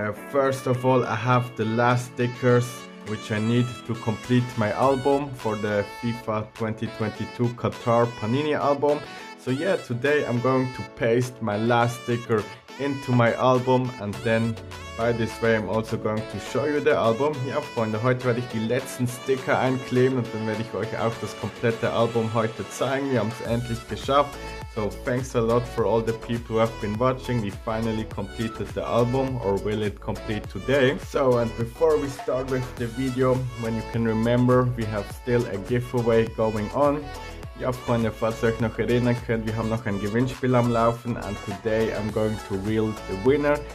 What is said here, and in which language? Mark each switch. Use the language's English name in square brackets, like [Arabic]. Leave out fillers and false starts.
[English] First of all, I have the last stickers which I need to complete my album for the FIFA 2022 Qatar Panini album. So yeah, today I'm going to paste my last sticker into my album and then by this way I'm also going to show you the album. [German] Ja Freunde, heute werde ich die letzten Sticker einkleben und dann werde ich euch auch das komplette Album heute zeigen. Wir haben es endlich geschafft. [English] So thanks a lot for all the people who have been watching. We finally completed the album, or will it complete today? So and before we start with the video, when you can remember, we have still a giveaway going on. [German] Ja Freunde, falls ihr euch noch erinnern könnt, wir haben noch ein Gewinnspiel am Laufen [English] and today I'm going to reel the winner.